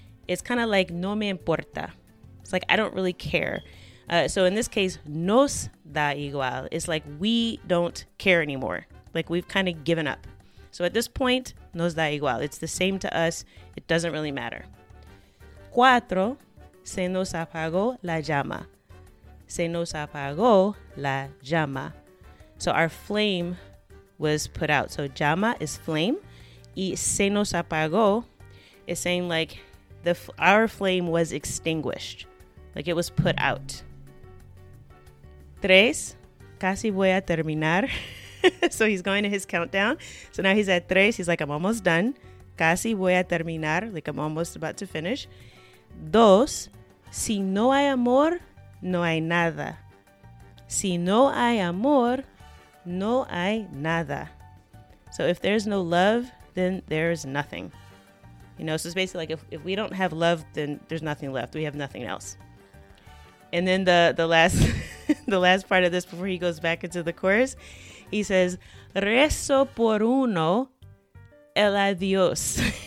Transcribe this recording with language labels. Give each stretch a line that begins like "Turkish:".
English: It's kind of like
Spanish: no me importa.
English: It's like I don't really care. So in this case,
Spanish: nos da igual
English: is like we don't care anymore. Like we've kind of given up. So at this point,
Spanish: nos da igual.
English: It's the same to us. It doesn't really matter.
Spanish: Cuatro, se nos apagó la llama. Se nos apagó la llama.
English: So our flame was put out. So llama is flame.
Spanish: Y se nos apagó
English: is saying like our flame was extinguished, like it was put out.
Spanish: Tres, casi voy a terminar.
English: So he's going to his countdown. So now he's at tres. He's like, I'm almost done.
Spanish: Casi voy a terminar.
English: Like, I'm almost about to finish.
Spanish: Dos, si no hay amor, no hay nada. Si no hay amor, no hay nada.
English: So if there's no love, then there's nothing. You know, so it's basically like if we don't have love, then there's nothing left. We have nothing else. And then the last part of this before he goes back into the chorus, he says,
Spanish: rezo por uno, el adiós.